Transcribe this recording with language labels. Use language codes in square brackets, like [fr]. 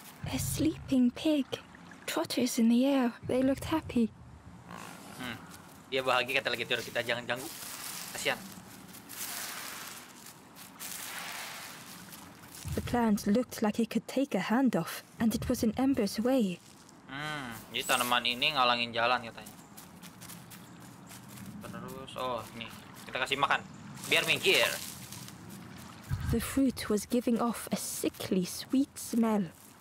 [en] A sleeping pig. Trotters in the air. They looked happy. [id] Dia bahagia kata lagi tidur, kita jangan ganggu. Kasihan. [en] The plant looked like it could take a handoff, and it was in Ember's way. [id] Jadi tanaman ini ngalangin jalan katanya. Terus, ini kita kasih makan, biar minggir. [en] The fruit was giving off a sickly sweet smell.